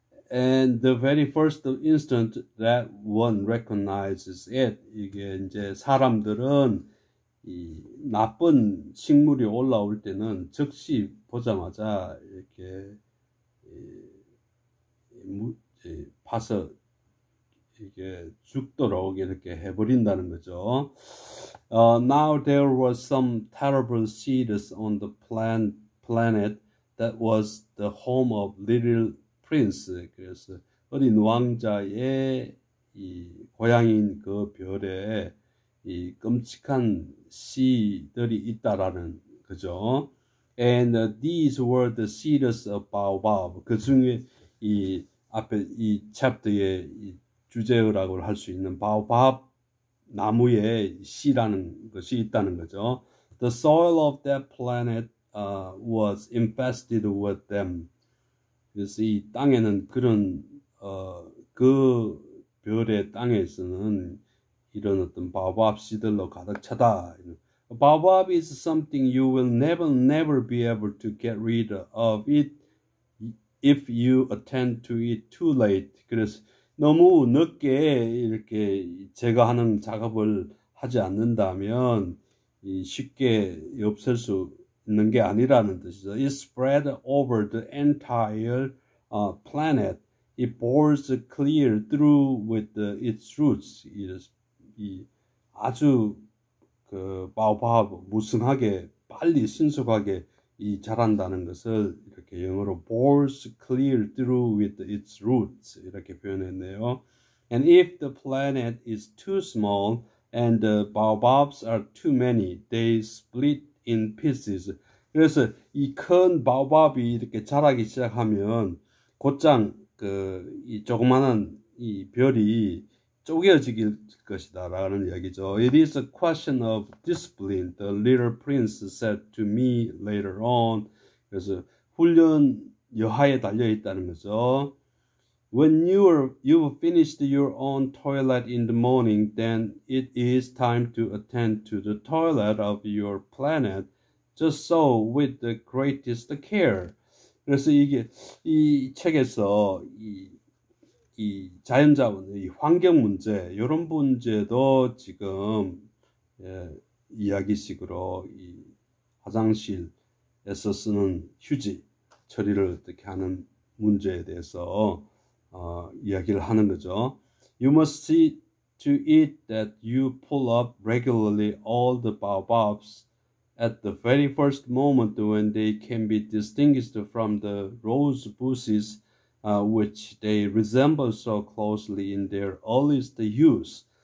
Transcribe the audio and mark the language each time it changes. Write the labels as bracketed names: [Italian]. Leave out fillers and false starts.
[English] And the very first instant that one recognizes it, [Korean] 이게 이제 사람들은 이 나쁜 식물이 올라올 때는 즉시 보자마자 이렇게 파서 이게 죽도록 이렇게 해버린다는 거죠. [English] Now there were some terrible seeds on the planet that was the home of little prince. [Korean] 그래서 어린 왕자의 이 고향인 그 별에 이 끔찍한 씨들이 있다라는 거죠. [English] And these were the seeds of Baobab. [Korean] 그 중에 이 앞에 이 챕터의 이 주제어라고 할 수 있는 Baobab 나무의 씨라는 것이 있다는 거죠. [English] The soil of that planet was infested with them. [Korean] 그래서 이 땅에는 그런 그 별의 땅에서는 이런 어떤 바바밥 씨들로 가득 차다. [English] Baobab is something you will never be able to get rid of it if you attend to it too late. [Korean] 그래서 너무 늦게 이렇게 제거하는 작업을 하지 않는다면 쉽게 없앨 수 있는 게 아니라는 뜻이죠. [English] It spread over the entire planet. It bores clear through with its roots. [Korean] 이 아주 그 바오바오 무성하게 빨리 신속하게 이 자란다는 것을 이렇게 영어로 [English] bores clear through with its roots [Korean] 이렇게 표현했네요. [English] And if the planet is too small and the baobabs are too many, they split in pieces. [Korean] 그래서 이 큰 바오바오이 이렇게 자라기 시작하면 곧장 그 이 조그만한 이 별이 쪼개어질 것이다 라는 이야기죠. [English] It is a question of discipline, the little prince said to me later on. [Korean] 그래서 훈련 여하에 달려있다는 거죠. [English] When you've finished your own toilet in the morning, then it is time to attend to the toilet of your planet, just so with the greatest care. [Korean] 그래서 이게 이 책에서 이 자연자원, 이 환경 문제, 이런 문제도 지금, 이야기식으로 이 화장실에서 쓰는 휴지 처리를 어떻게 하는 문제에 대해서, 이야기를 하는 거죠. [English] You must see to it that you pull up regularly all the baobabs At the very first moment when they can be distinguished from the rose bushes, which they resemble so closely in their earliest youth.